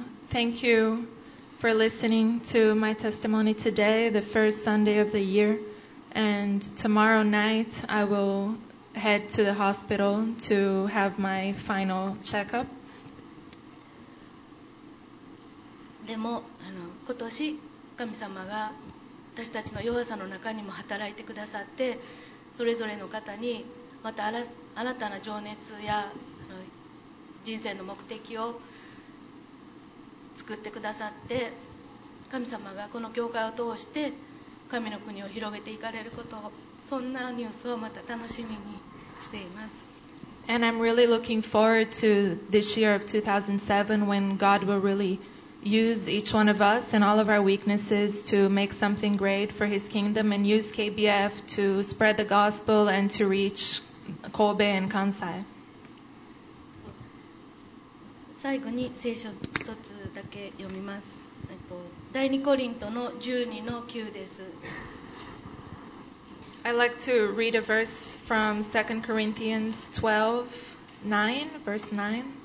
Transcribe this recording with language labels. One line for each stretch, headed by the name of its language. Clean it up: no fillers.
English: Thank you for listening to my testimony today, the first Sunday of the year. And tomorrow night I will head to the hospital to have my final checkup.
Japanese: でも今年神様が私たちの弱さの中にも働いてくださって、それぞれの方にまた新たな情熱や人生の目的を作ってくださって、神様がこの教会を通して神の国を広げていかれること、そんなニュースをまた楽しみにしています。
English: And I'm really looking forward to this year of 2007 when God will reallyuse each one of us and all of our weaknesses to make something great for his kingdom and use KBF to spread the gospel and to reach Kobe and Kansai.
Japanese: 最後に聖書一つだけ読みます。第2コリントの12の9です。
English: I'd like to read a verse from 2 Corinthians 12:9, verse 9.